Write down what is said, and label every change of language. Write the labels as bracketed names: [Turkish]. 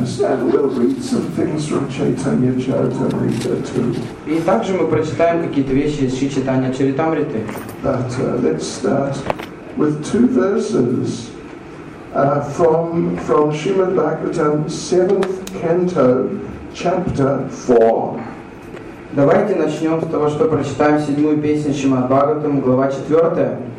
[English] Yes, and we'll read some things from Chaitanya Charitamrita too. [Russian] И также мы прочитаем какие-то вещи из Шри Чайтанья Чаритамриты. [English] But let's start with two verses from Srimad Bhagavatam, 7th canto, chapter 4. [Russian] Давайте начнем с того, что прочитаем седьмую песню Шримад Бхагаватам, глава четвертая.